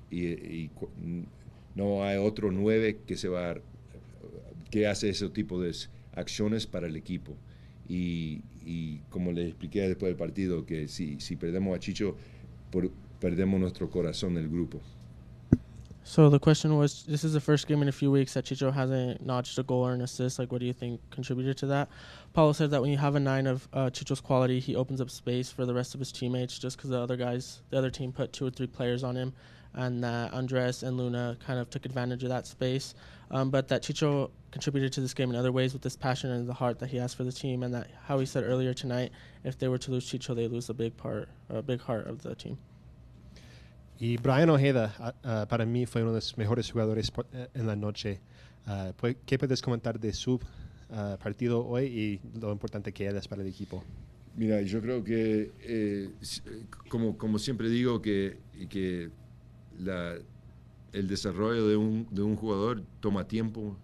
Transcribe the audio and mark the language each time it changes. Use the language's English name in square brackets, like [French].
[Spanish] Y no hay otro nueve que hace ese tipo de acciones para el equipo. Y como le expliqué después del partido, que si perdemos a Chicho, perdemos nuestro corazón del grupo. [English] So the question was, this is the first game in a few weeks that Chicho hasn't notched a goal or an assist. Like, what do you think contributed to that? Paulo said that when you have a nine of Chicho's quality, he opens up space for the rest of his teammates just because the other team put two or three players on him, and that Andres and Luna kind of took advantage of that space. But that Chicho contributed to this game in other ways with this passion and the heart that he has for the team, and that how he said earlier tonight, if they were to lose Chicho, they lose a big heart of the team. [Spanish] Y Brian Ojeda, para mí, fue uno de los mejores jugadores en la noche. ¿Qué puedes comentar de su partido hoy y lo importante que eres para el equipo? Mira, yo creo que, como siempre digo, que el desarrollo de un jugador toma tiempo.